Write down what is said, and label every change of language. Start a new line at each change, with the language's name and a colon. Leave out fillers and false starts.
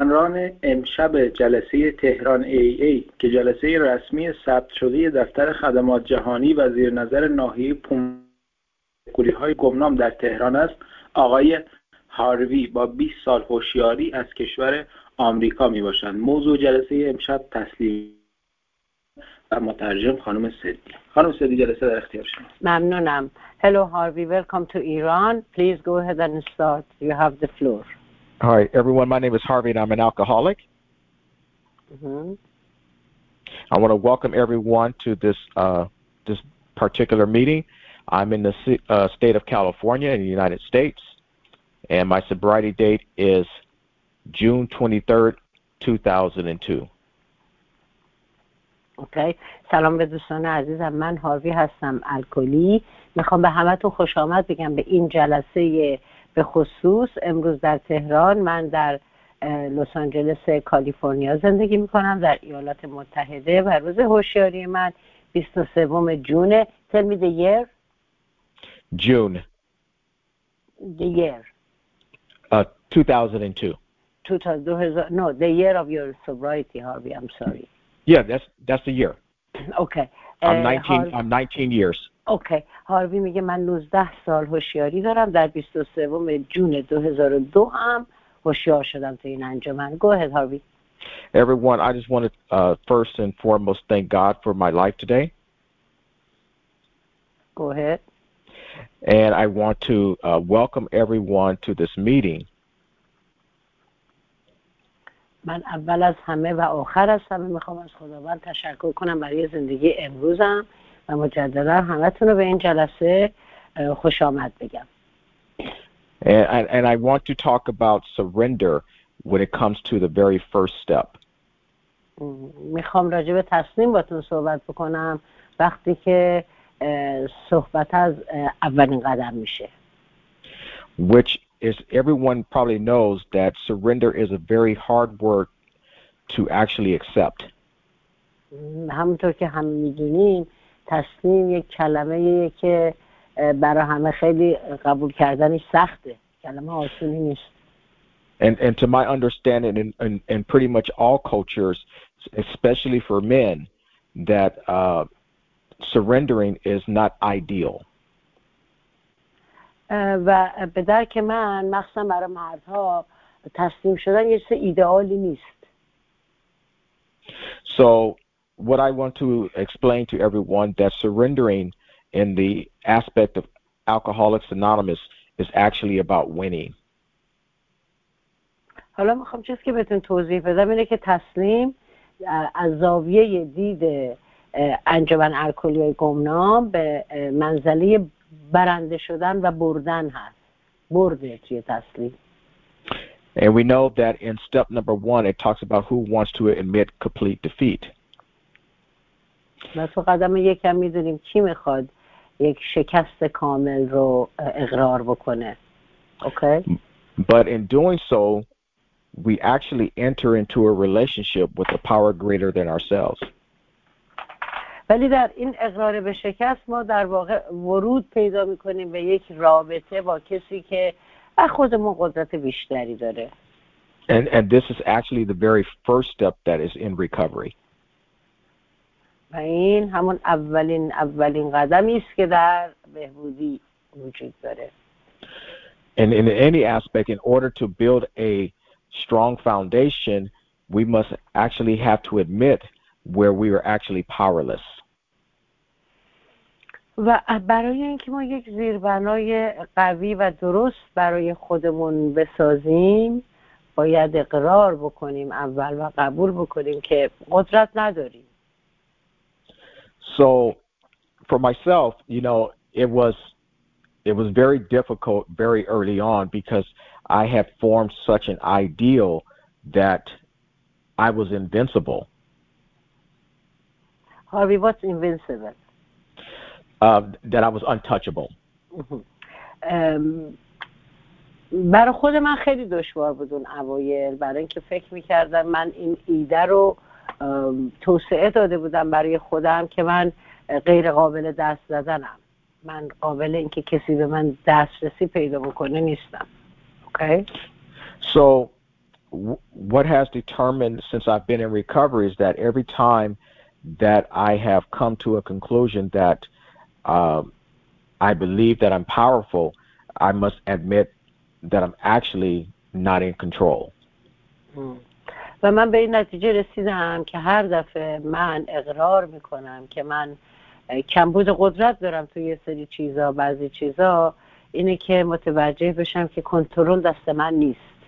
Persian: سخنران امشب جلسه تهران AA که جلسه رسمی ثبت شده دفتر خدمات جهانی و زیر نظر ناحیه پومکولی های گمنام در تهران است، آقای هاروی با 20 سال هوشیاری از کشور آمریکا می باشند. موضوع جلسه امشب تسلیم و مترجم خانم سدی. خانم سدی، جلسه در اختیار شما. ممنونم.
English: Hello Harvey, welcome to Iran. Please go ahead and start. You have the floor. Hi everyone, my name is Harvey and I'm an alcoholic. Mm-hmm. I want to welcome everyone to this this particular meeting. I'm in the state of California in the United States, and my sobriety date is June 23rd, 2002.
Persian: Okay. Salam be dostan aziz, man Harvey hastam, alkoli. Mikham be hametun khosh amad begam be in jalase به خصوص امروز در تهران. من در لس آنجلس کالیفرنیا زندگی میکنم در ایالات متحده و روز هوشیاری من 23 جون.
English: Tell me the year. June. The year. 2002. No, the year of your sobriety, Harvey. I'm sorry. Yeah, that's the year. Okay. I'm 19 years. Okay.
Persian: هاروی میگه من 19 سال هوشیاری دارم، در 23 جون 2002 هم هوشیار شدم تو این انجمن.
English: Go ahead, Harvey. Everyone, I just want to first and foremost thank God for my life today. Go ahead. And I want to welcome everyone to this meeting.
Persian: من اول از همه و آخر از همه میخوام از خداوند تشکر کنم برای زندگی امروزم و مجددا همتون رو به این جلسه خوش آمد بگم.
English: And I want to talk about surrender when it comes to the very first step.
Persian: میخوام راجع به تسلیم باهاتون صحبت بکنم وقتی که صحبت از اولین قدم میشه.
English: Which is everyone probably knows that surrender is a very hard word to actually accept.
Persian: همونطور که همه میدونیم تسلیم یک کلمه ایه که برای همه خیلی قبول کردنش سخته، کلمه آسونی نیست.
English: And to my understanding in pretty much all cultures, especially for men, that surrendering is not ideal.
Persian: و به درک من مخصوصا برای مردها تسلیم شدن یه چیز ایدئالی نیست.
English: So what I want to explain to everyone that surrendering in the aspect of Alcoholics Anonymous is actually about winning.
Persian: حالا میخوام چیزی که بهتون توضیح بدم اینه که تسلیم از زاویه دید انجمن الکلی گمنام به منزله برنده شدن و بردن هست. برده توی تسلیم.
English: And we know that in step number one it talks about who wants to admit complete defeat.
Persian: ما تو قدم یک هم میدونیم کی میخواد یک شکست کامل رو اقرار بکنه.
English: Okay. But in doing so, we actually enter into a relationship with a power greater than ourselves.
Persian: ولی در این اقرار به شکست ما در واقع ورود پیدا میکنیم به یک رابطه با کسی که از خودمون قدرت بیشتری داره.
English: And this is actually the very first step that is in recovery.
Persian: و این همون اولین قدمی است که در بهبودی وجود داره.
English: And in any aspect, in order to build a strong foundation, we must actually have to admit where we are actually powerless.
Persian: و برای اینکه ما یک زیربنای قوی و درست برای خودمون بسازیم، باید اقرار بکنیم اول و قبول بکنیم که قدرت نداریم.
English: So for myself, you know, it was very difficult very early on because I had formed such an ideal that I was invincible. Harvey, what's invincible? That I was untouchable.
Persian: برای خود من خیلی دشوار بود اون اوایل، برای اینکه فکر می‌کردم من این ایده رو توسعه داده بودم برای خودم که من غیر قابل دست زدنم، من قابل اینکه کسی به من دسترسی پیدا بکنه نیستم. Okay.
English: So what has determined since I've been in recovery is that every time that I have come to a conclusion that I believe that I'm powerful, I must admit that I'm actually not in control.
Persian: و من به این نتیجه رسیدم که هر دفعه من اقرار میکنم که من کمبود قدرت دارم توی یه سری چیزا بعضی چیزا اینه که متوجه بشم که کنترل دست من نیست.